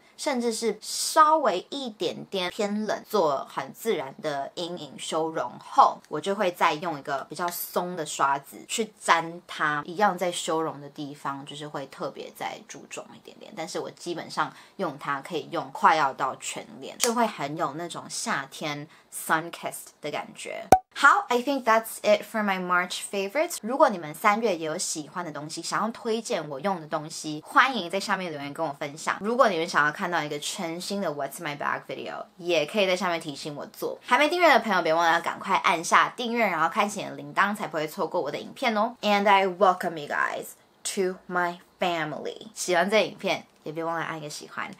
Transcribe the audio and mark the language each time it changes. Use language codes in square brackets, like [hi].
[zh] 甚至是稍微一点点偏冷做很自然的阴影修容后，我就会再用一个比较松的刷子去沾它，一样在修容的地方就是会特别在注重一点点，但是我基本上用它可以用快要到全脸，就会很有那种夏天 sun-kissed 的感觉。 [en] 好， I think that's it for my March favorites. [zh] 如果你们三月也有喜欢的东西，想要推荐我用的东西，欢迎在下面留言跟我分享。如果你们想要看到一个全新的 What's My Bag video， 也可以在下面提醒我做。还没订阅的朋友，别忘了要赶快按下订阅，然后开启铃铛，才不会错过我的影片哦。 [en] And I welcome you guys to my family. [zh] 喜欢这影片，也别忘了按一个喜欢。